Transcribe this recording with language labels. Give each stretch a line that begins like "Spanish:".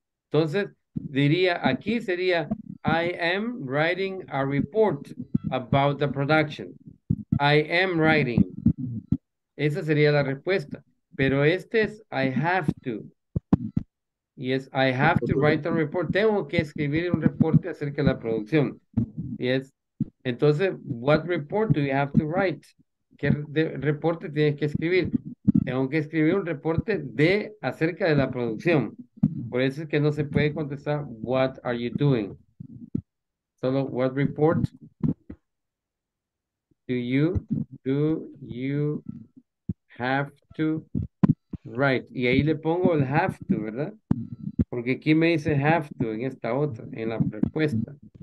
Spanish: Entonces, diría, aquí sería,
English: I am writing a report about the production. I am writing.
Spanish: Esa sería la respuesta. Pero este es,
English: I have to. Yes, I have to write a report.
Spanish: Tengo que escribir un reporte acerca de la producción.
English: Yes. Entonces, what report do you have to write?
Spanish: ¿Qué reporte tienes que escribir? Tengo que escribir un reporte de acerca de la producción. Por eso es que no se puede contestar,
English: what are you doing? Solo, what report do you have to write?
Spanish: Y ahí le pongo el have to, ¿verdad? Porque aquí me dice have to en esta otra, en la respuesta.